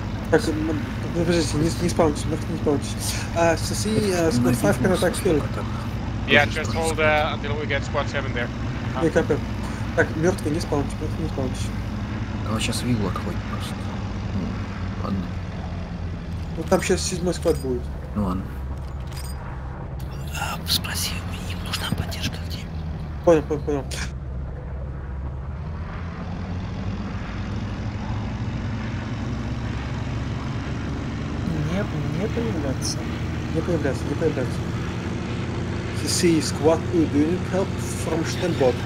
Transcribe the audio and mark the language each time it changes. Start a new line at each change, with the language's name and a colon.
Russian: Так, подождите, не спаунтесь, не спаунтесь.
English: Соси, squad 5 can attack hill. Yeah, just hold until we get squad 7 there.
Russian: Не капер. Так, мертвый, не спаунтесь, мертвый, не спаунтесь. Давай сейчас Вигла хватит просто. Ладно. Ну там сейчас 7-й склад будет. Ну ладно. Спроси, мне нужна поддержка где? Понял, понял, понял. Нет, не появляться. Не появляться, не появляться.
English: CC squad, do you need help from Stenbot?